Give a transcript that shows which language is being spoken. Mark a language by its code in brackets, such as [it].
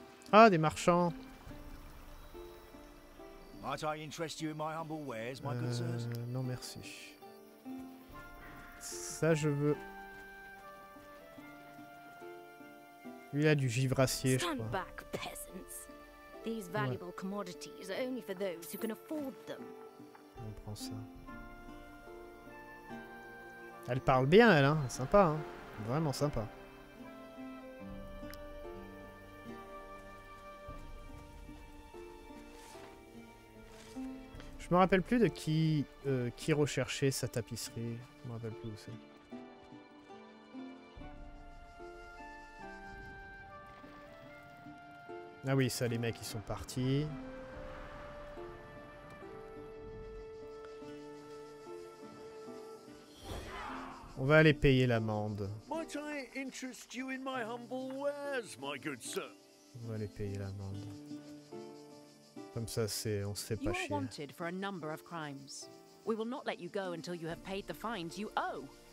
[fr] Ah, des marchands. [en] Might I interest you in my humble wares, my good sirs? [fr] Non, merci. Ça, je veux. Lui, il a du givre acier, je crois. [en] Stand back, peasants. These valuable commodities are only for those who can afford them. [fr] On prend ça. Elle parle bien, elle, hein. Sympa, hein. Vraiment sympa. Je me rappelle plus de qui recherchait sa tapisserie. Je me rappelle plus où c'est. Ah oui, ça, les mecs, ils sont partis. On va aller payer l'amende. [en] Might I interest you in my humble wares, my good sir? [fr] On va aller payer l'amende. Comme ça, c'est, on se fait pas chier. [en] You are wanted for a number of crimes. We will not let you go until you have paid the fines you owe.